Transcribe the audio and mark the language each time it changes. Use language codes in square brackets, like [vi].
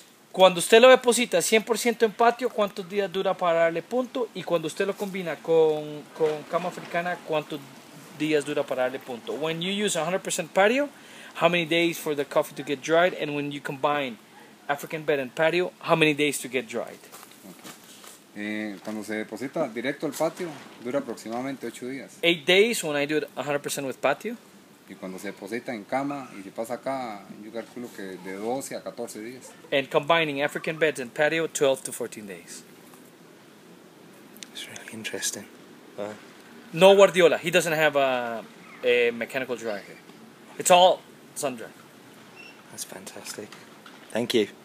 [es] Cuando usted lo deposita 100% en patio, ¿cuántos días dura para darle punto? Y cuando usted lo combina con cama africana, ¿cuántos días dura para darle punto? [en] When you use 100% patio, how many days for the coffee to get dried? And when you combine African bed and patio, how many days to get dried? Okay. [es] Cuando se deposita directo al patio, dura aproximadamente 8 días. [en] 8 days when I do it 100% with patio. [es] Y cuando se deposita en cama y se pasa acá, yo calculo que de 12 a 14 días. [en] And combining African beds and patio, 12 to 14 days. It's really interesting. No Guardiola. He doesn't have a mechanical dryer. Okay. It's all sun dry. That's fantastic. Thank you.